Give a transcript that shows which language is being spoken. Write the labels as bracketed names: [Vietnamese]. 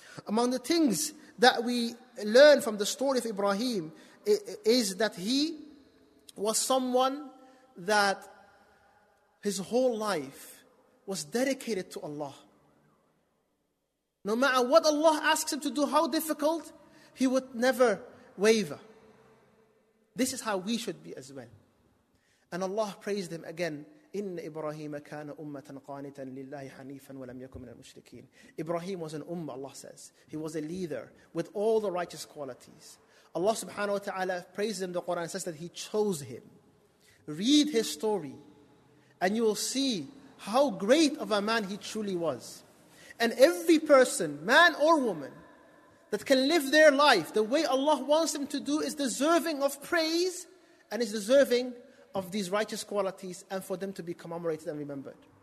[English] Among the things that we learn from the story of Ibrahim is that he was someone that his whole life was dedicated to Allah. No matter what Allah asks him to do, how difficult, he would never waver. This is how we should be as well. And Allah praised him again. [Arabic] إِنَّ إِبْرَاهِيمَ كَانَ أُمَّةً قَانِتًا لِلَّهِ حَنِيفًا وَلَمْ يَكُمْ مِنَ الْمُشْرِكِينَ [English] Ibrahim was an ummah, Allah says. He was a leader with all the righteous qualities. Allah subhanahu wa ta'ala praises him. The Quran says that he chose him. Read his story and you will see how great of a man he truly was. And every person, man or woman, that can live their life the way Allah wants them to do is deserving of praise and is deserving of these righteous qualities and for them to be commemorated and remembered.